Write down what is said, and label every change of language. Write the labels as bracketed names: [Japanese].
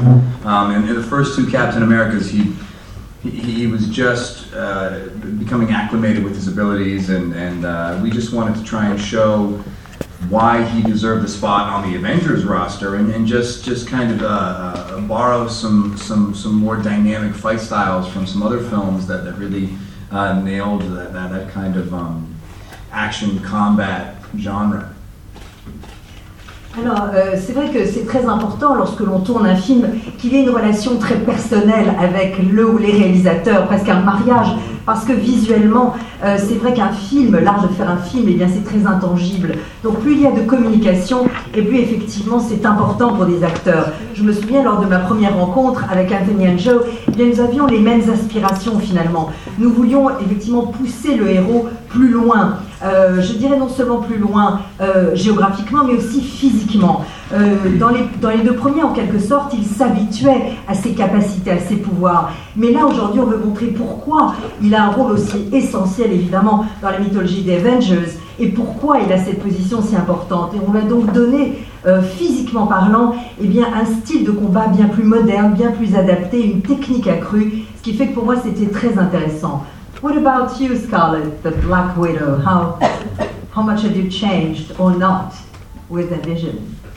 [English] And in the first two Captain Americas, he was just becoming acclimated with his abilities, and we just wanted to try and show why he deserved the spot on the Avengers roster, and just kind of borrow some more dynamic fight styles from some other films that really nailed that kind of action combat genre. [French] Alors, c'est vrai que c'est très important lorsque l'on tourne un film qu'il y ait une relation très personnelle avec le ou les réalisateurs, presque un mariage, parce que visuellement, c'est vrai qu'un film, l'art de faire un film, eh bien, c'est très intangible. Donc plus il y a de communication, et plus effectivement c'est important pour des acteurs. Je me souviens lors de ma première rencontre avec Anthony and Joe, eh bien, nous avions les mêmes aspirations finalement. Nous voulions effectivement pousser le héros plus loin. Je dirais non seulement plus loin géographiquement, mais aussi physiquement. Dans les deux premiers, en quelque sorte, il s'habituait à ses capacités, à ses pouvoirs. Mais là, aujourd'hui, on veut montrer pourquoi il a un rôle aussi essentiel, évidemment, dans la mythologie des Avengers, et pourquoi il a cette position si importante. Et on lui a donc donné, physiquement parlant, eh bien, un style de combat bien plus moderne, bien plus adapté, une technique accrue, ce qui fait que pour moi, c'était très intéressant. [English] What about you, Scarlett, the Black Widow? How much have you changed or not with the vision?